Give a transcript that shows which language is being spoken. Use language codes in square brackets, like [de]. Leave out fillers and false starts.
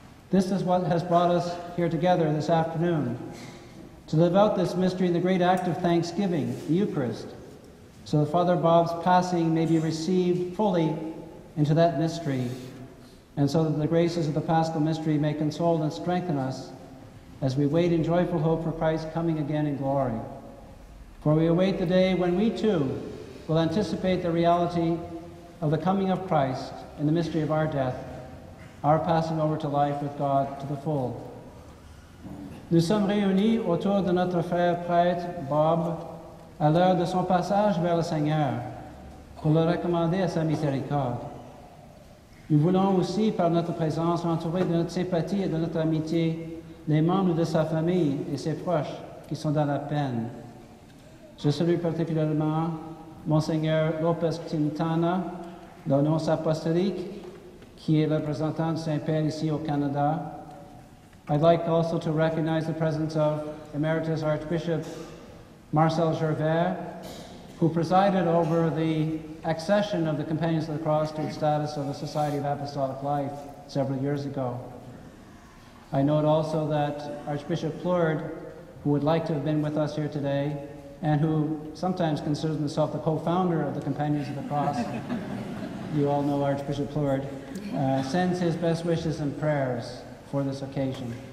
[en] This is what has brought us here together this afternoon, to live out this mystery in the great act of thanksgiving, the Eucharist, so that Father Bob's passing may be received fully into that mystery, and so that the graces of the Paschal Mystery may console and strengthen us as we wait in joyful hope for Christ coming again in glory. For we await the day when we too will anticipate the reality of the coming of Christ in the mystery of our death, our passing over to life with God to the full. [fr] Nous sommes réunis autour de notre frère prêtre Bob à l'heure de son passage vers le Seigneur pour le recommander à sa miséricorde. Nous voulons aussi, par notre présence, entourer de notre sympathie et de notre amitié les membres de sa famille et ses proches qui sont dans la peine. Je salue particulièrement Monseigneur Lopez Quintana, le nonce apostolique, qui est le représentant de Saint-Père ici au Canada. [en] I'd like also to recognize the presence of Emeritus Archbishop Marcel Gervais, who presided over the accession of the Companions of the Cross to the status of the Society of Apostolic Life several years ago. I note also that Archbishop Plourd, who would like to have been with us here today, and who sometimes considers himself the co-founder of the Companions of the Cross, you all know Archbishop Plourd, sends his best wishes and prayers for this occasion.